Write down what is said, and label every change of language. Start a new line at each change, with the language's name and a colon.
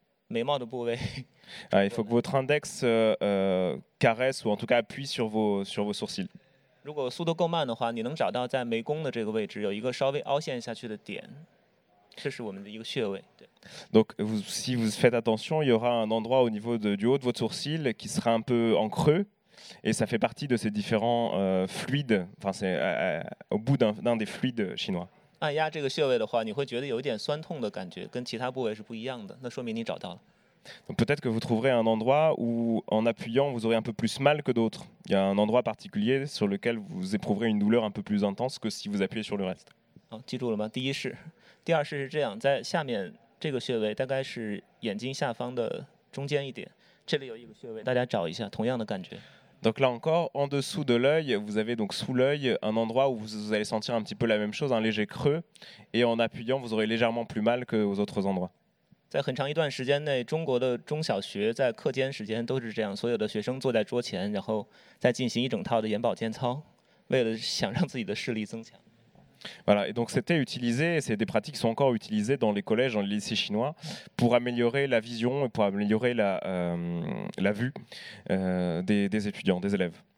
French: Il faut que votre index caresse ou en tout cas appuie sur vos sourcils.
Chinese: 如果速度够慢的话，你能找到在眉弓的这个位置有一个稍微凹陷下去的点，这是我们的一个穴位。
French: Donc, si vous faites attention, il y aura un endroit au niveau du haut de votre sourcil qui sera un peu en creux. Et ça fait partie de ces différents fluides, enfin c'est au bout d'un des fluides chinois.
Chinese: 按压这个穴位的话，你会觉得有一点酸痛的感觉，跟其他部位是不一样的。那说明你找到了。
French: Donc peut-être que vous trouverez un endroit où, en appuyant, vous aurez un peu plus mal que d'autres. Il y a un endroit particulier sur lequel vous éprouverez une douleur un peu plus intense que si vous appuyez sur le reste.
Chinese: 好，记住了吗？第一式，第二式是这样，在下面这个穴位大概是眼睛下方的中间一点，这里有一个穴位，大家找一下，同样的感觉。
French: Donc là encore, en dessous de l'œil, vous avez donc sous l'œil un endroit où vous allez sentir un petit peu la même chose, un léger creux, et en appuyant, vous aurez légèrement plus mal qu'aux autres endroits.
Chinese: 在很长一段时间内，中国的中小学在课间时间都是这样，所有的学生坐在桌前，然后再进行一整套的眼保健操，为了想让自己的视力增强。
French: Voilà, et donc c'était utilisé, et c'est des pratiques qui sont encore utilisées dans les collèges, dans les lycées chinois, pour améliorer la vision et pour améliorer la vue des étudiants, des élèves.